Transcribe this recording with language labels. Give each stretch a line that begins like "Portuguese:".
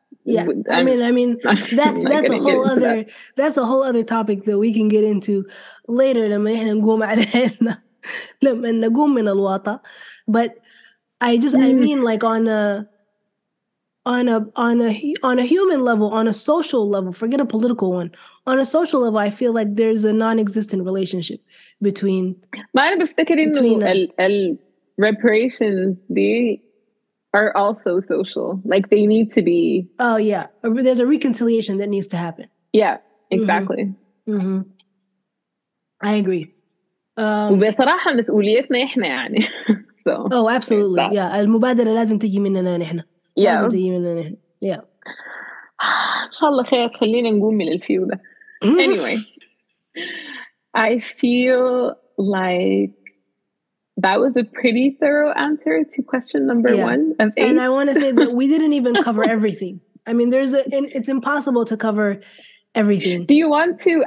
English: Yeah, I mean that's a whole other that's a whole other topic that we can get into later but I just I mean like on a human level, on a social level, forget a political one, on a social level I feel like there's a non-existent relationship between reparations are also social, like they need to be. Oh yeah, there's a reconciliation that needs to happen. Yeah, exactly. Mm-hmm. Mm-hmm. I agree.
Arabic: وبصراحة مسؤوليتنا إحنا يعني.
English: So. Oh, absolutely. Yeah,
Arabic: المبادرة لازم تجي مننا نحنا.
English: Yeah.
Arabic: لازم تجي مننا نحنا.
English: Yeah.
Arabic: إن شاء الله خير خلينا نقوم من الفيو ده.
English: Anyway, I feel like that was a pretty thorough answer to question number one of eight. And I want to say that we didn't even cover everything. I mean, it's impossible to cover everything. Do you want to?